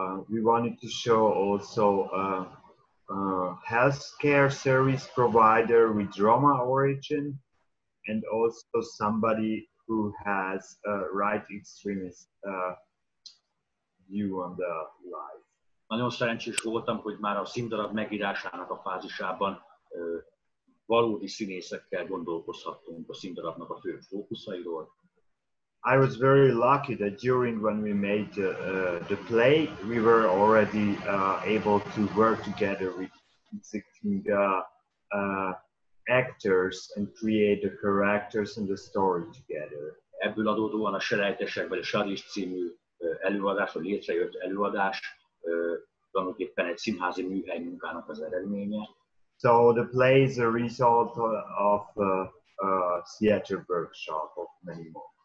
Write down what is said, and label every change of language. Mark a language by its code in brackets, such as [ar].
[en] We wanted to show also healthcare service provider with Roma origin, and also somebody who has a right extremist view on the life. [hu] Nagyon szerencsés voltam, hogy már a színdarab megírásának a fázisában valódi színészekkel gondolkozhattunk a színdarabnak a fő fókuszairól. [en] I was very lucky that during when we made the play, we were already able to work together with existing actors and create the characters and the story together. [hu] Ebből adódóan a Selejtesekben a Shoddies című előadás, a létrejött előadás, tulajdonképpen egy színházi műhely munkának az eredménye. [en] So the play is a result of a theater workshop of many more.